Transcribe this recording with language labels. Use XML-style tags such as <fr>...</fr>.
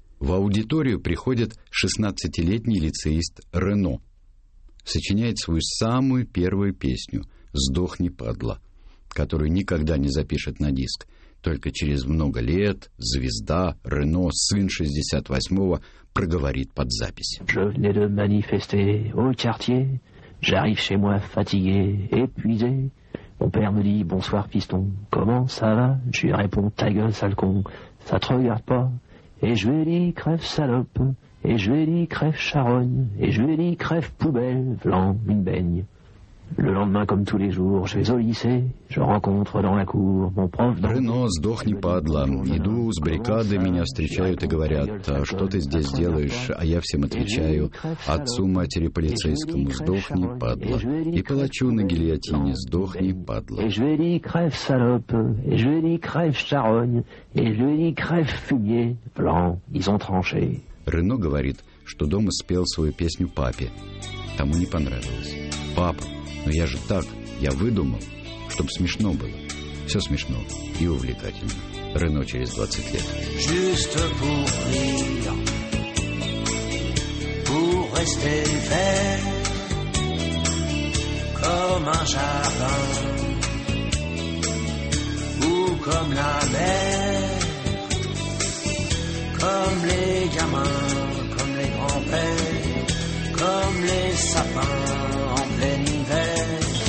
<ru>В аудиторию приходит 16-летний лицеист Рено. Сочиняет свою самую первую песню «Сдохни, падла», которую никогда не запишет на диск. Только через много лет звезда Рено, сын 68-го, проговорит под запись.</ru> <fr>Je venais de manifester au quartier. J'arrive chez moi fatigué, épuisé. Mon père me dit bonsoir piston, comment ça va? Je lui réponds ta gueule sale con, ça te regarde pas. Et je lui dis crève salope, et je lui dis crève charogne, et je lui dis crève poubelle, v'lan une beigne. Le lendemain, comme tous les jours, je vais au lycée, je rencontre dans la cour mon prof d'anglais.</fr> <ru>Рено, сдохни, падла. Иду с баррикады, меня встречают и говорят, что ты здесь делаешь? А я всем отвечаю, отцу, матери, полицейскому, сдохни, падла. И палачу на гильотине, сдохни, падла.</ru> <fr>Et je lui dis crève salope, et je lui dis crève charogne, et je lui dis crève fumier, blanc, ils ont tranché.</fr> <ru>Рено говорит, что дома спел свою песню папе. Тому не понравилось. Папа. Но я же так, я выдумал, чтобы смешно было. Все смешно и увлекательно. Рено через 20 лет.</ru> <fr>Juste pour rire, pour rester vert, comme un jardin, ou comme la mer, comme les gamins, comme les grands-pères, comme les sapins en plein hiver.</fr>